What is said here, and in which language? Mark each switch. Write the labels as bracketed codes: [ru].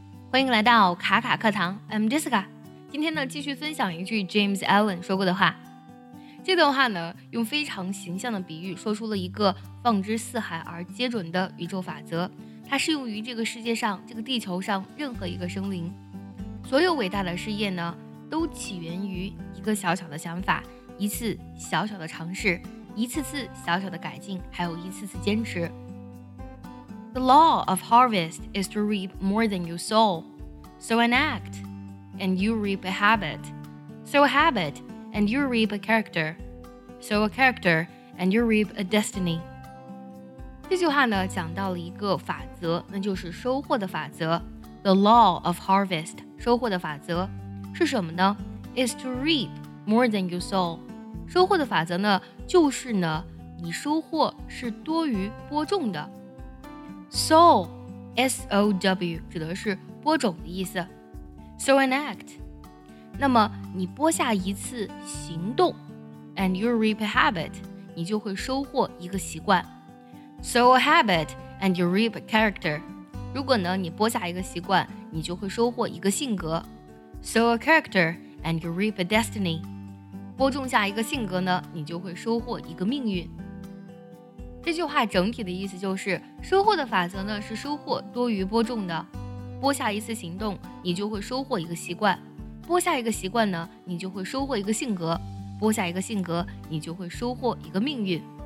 [zh] 欢迎来到卡卡课堂 [en] I'm Jessica [zh] 今天呢继续分享一句 James Allen 说过的话这段话呢用非常形象的比喻说出了一个放之四海而皆准的宇宙法则它适用于这个世界上这个地球上任何一个生灵所有伟大的事业呢都起源于一个小小的想法一次小小的尝试一次次小小的改进还有一次次坚持 [en] The law of harvest is to reap more than you sow. Sow an act, and you reap a habit. Sow a habit, and you reap a character. Sow a character, and you reap a destiny. [zh] 这句话呢，讲到了一个法则，那就是收获的法则。 [en] The law of harvest, [zh] 收获的法则，是什么呢？ [en] Is to reap more than you sow. [zh] 收获的法则呢，就是呢，你收获是多于播种的。 [en] Sow, S-O-W, [zh] 指的是播种的意思。 [en] Sow an act. [zh] 那么你播下一次行动 [en] and you reap a habit, [zh] 你就会收获一个习惯。 [en] Sow a habit and you reap a character. [zh] 如果呢你播下一个习惯你就会收获一个性格。 [en] Sow a character and you reap a destiny. [zh] 播种下一个性格呢你就会收获一个命运。这句话整体的意思就是收获的法则呢是收获多于播种的播下一次行动你就会收获一个习惯播下一个习惯呢你就会收获一个性格播下一个性格你就会收获一个命运